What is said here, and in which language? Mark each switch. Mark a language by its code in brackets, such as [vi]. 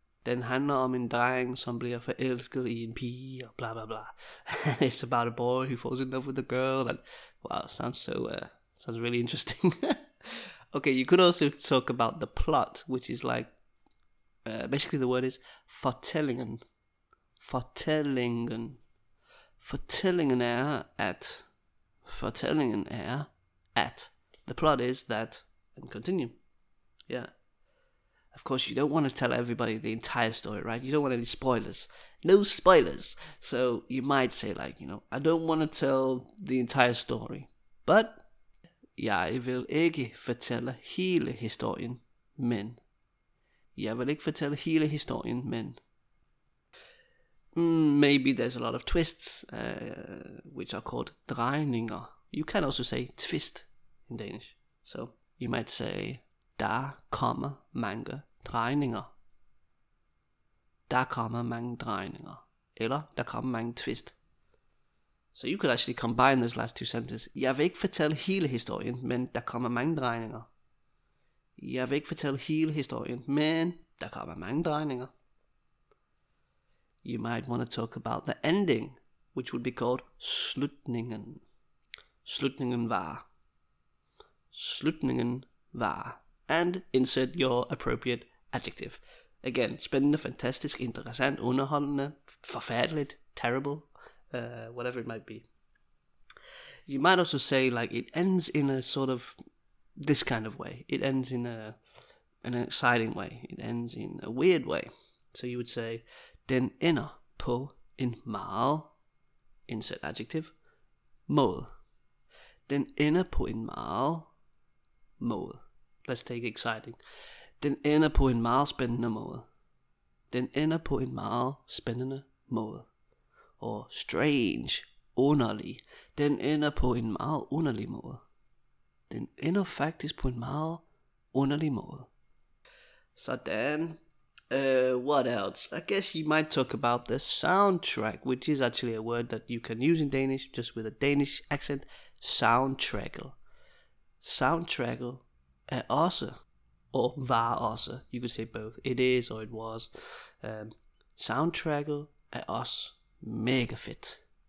[da] Den handler om en dreng, som bliver forelsket i en pige, og blah, blah, blah. [en] It's about a boy who falls in love with a girl, and, wow, sounds so, sounds really interesting. Okay, you could also talk about the plot, which is like, basically the word is fortællingen. [da] Fortællingen. Fortællingen er at, fortællingen er at. [en] The plot is that, and continue, yeah. Of course, you don't want to tell everybody the entire story, right? You don't want any spoilers. No spoilers. So you might say, like, you know, I don't want to tell the entire story. But [da] jeg vil ikke fortælle hele historien, men. Jeg vil ikke fortælle hele historien, men. [en] Maybe there's a lot of twists, which are called drejninger. You can also say twist in Danish. So you might say, [da] der kommer mange drejninger. Der kommer mange drejninger. Eller, der kommer mange twist. [en] So you could actually combine those last two sentences. [da] Jeg vil ikke fortælle hele historien, men der kommer mange drejninger. Jeg vil ikke fortælle hele historien, men der kommer mange drejninger. [en] You might want to talk about the ending, which would be called slutningen. [da] Slutningen var. Slutningen var. [en] And insert your appropriate adjective. Again, [da] spændende, fantastisk, interessant, underholdende, forfærdeligt, [en] terrible, whatever it might be. You might also say, like, it ends in a sort of this kind of way. It ends in an exciting way. It ends in a weird way. So you would say, [da] den ender på en meget, [en] insert adjective, [da] måde. Den ender på en meget måde. [en] Let's take exciting. [da] Den ender på en meget spændende måde. Den ender på en meget spændende måde. [en] Or strange, [da] underlig. Den ender på en meget underlig måde. Den ender faktisk på en meget underlig måde. Sådan. [en] What else? I guess you might talk about the soundtrack, which is actually a word that you can use in Danish, just with a Danish accent. Soundtrack. Soundtrack. [da] Er også, [en] or [da] var også. [en] You could say both. It is or it was. [da] Soundtrack er også mega fit.